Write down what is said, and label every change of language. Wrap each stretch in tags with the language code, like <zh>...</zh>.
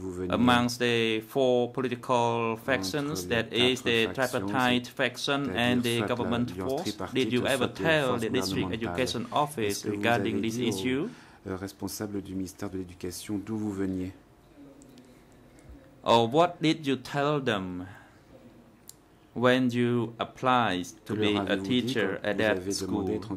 <en>Amongst the four political factions, that is the tripartite faction and the government force, did you ever tell the district education office regarding this issue?</en> <fr>Responsable du ministère de l'éducation, d'où vous veniez?</fr> <en>Or what did you tell them when you applied to be a teacher at that school,</en>